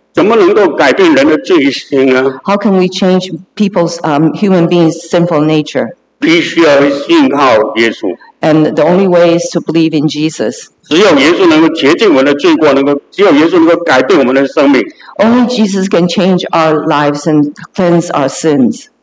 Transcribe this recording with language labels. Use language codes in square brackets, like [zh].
[zh] 怎么能够改变人的罪性呢? [en] How can we change people's human beings' sinful nature? [zh] 必须要信靠耶稣。 [en] And the only way is to believe in Jesus. [zh] 只有耶稣能够洁净我们的罪过，能够只有耶稣能够改变我们的生命。 [en] Only Jesus can change our lives and cleanse our sins.